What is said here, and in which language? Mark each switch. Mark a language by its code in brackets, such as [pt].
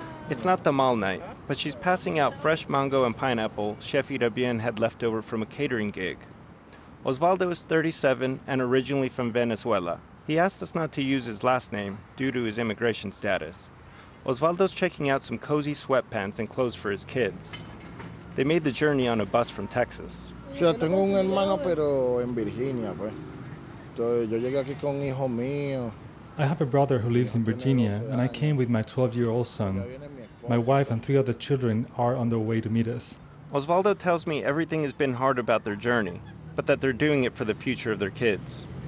[en] It's not tamal night, but she's passing out fresh mango and pineapple Chef Irabien had left over from a catering gig. Osvaldo is 37 and originally from Venezuela. He asked us not to use his last name due to his immigration status. Osvaldo's checking out some cozy sweatpants and clothes for his kids. They made the journey on a bus from Texas. [es] Sí, tengo un hermano, pero en Virginia, pues. Entonces, yo llegué aquí con hijo mío. [en] I have a brother who lives in Virginia, and I came with my 12-year-old son. My wife and three other children are on their way to meet us. Osvaldo tells me everything has been hard about their journey, but that they're doing it for the future of their kids.